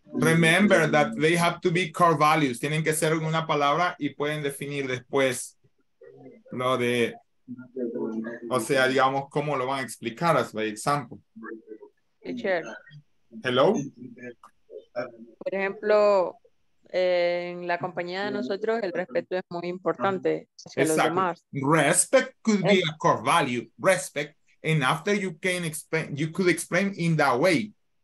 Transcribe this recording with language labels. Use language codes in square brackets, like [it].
[en] Remember that they have to be core values. [es] Tienen que ser una palabra y pueden definir después lo de, o sea, digamos, cómo lo van a explicar, [en] as by example. Teacher. Hello. [es] Por ejemplo, en la compañía de nosotros, el respeto es muy importante hacia los demás. [en] Respect could be a core value. Respect. And after you can explain, you could explain in that way.